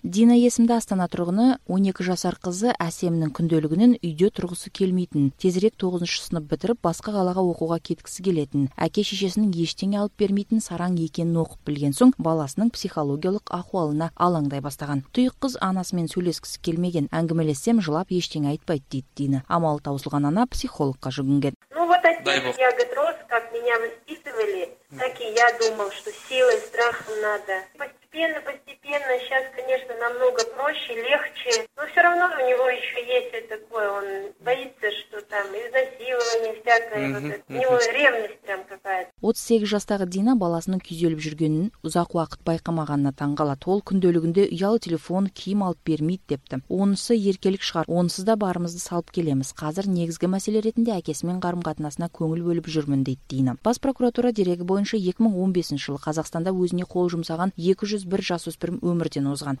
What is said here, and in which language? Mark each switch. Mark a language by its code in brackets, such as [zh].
[kk] Дина есімді Астана тұрғыны 12 жасар қызы Әсемнің күнделігінен үйде тұрғысы келмейтінін, тезірек 9-шы сынып бітіріп басқа қалаға оқуға кеткісі келетінін, әке-шешесінің ештеңе алып бермейтін сараң екенін оқып білген соң баласының психологиялық ахуалы алына алаңдай бастаған. Тұйық қыз анасымен сөйлескісі келмеген. Әңгімелессем жылап ештеңе айтпайды дейді Дина. Амалы таусылған ана психологқа жүгінген. [ru] Ну вот отец, я рос, как меня воспитывали, так и я думал, что силой, страхом надо. Постепенно, сейчас, конечно, намного проще, легче. Но все равно у него еще есть такое, он боится, что там изнасилование всякое. У него ревность прям какая-то. [kk] 38 жастағы Дина баласының күйзеліп жүргенін ұзақ уақыт байқамағанына таңғалады. Ол күнделігінде ұялы телефон, киім алып бермейді депті. Онысы еркелік шығар, онсыз да барымызды салып келеміз. Қазір негізгі мәселе ретінде әкесімен қарым-қатынасына көңіл бөліп жүрмін дейді Дина. Бас прокуратура дерегі бойынша 2015 жылы Қазақстанда өзіне қол жұмсаған 201 жасөспірім өмірден озған.